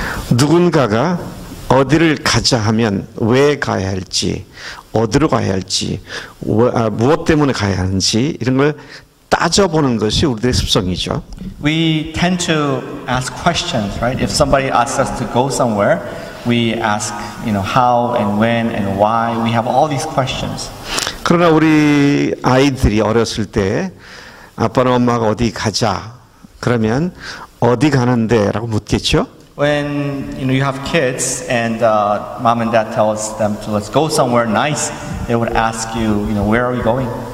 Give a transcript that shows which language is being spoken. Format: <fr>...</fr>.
<ko>누군가가 어디를 가자 하면 왜 가야 할지, 어디로 가야 할지, 무엇 때문에 가야 하는지 이런 걸 따져보는 것이 우리들의 습성이죠.</ko> <en>We tend to ask questions, right? If somebody asks us to go somewhere, we ask, you know, how and when and why. We have all these questions.</en> <ko>그러나 우리 아이들이 어렸을 때 아빠나 엄마가 어디 가자 그러면 어디 가는데라고 묻겠죠?</ko> <en>When you know you have kids and mom and dad tells them to let's go somewhere nice, they would ask you, you know, where are we going?</en>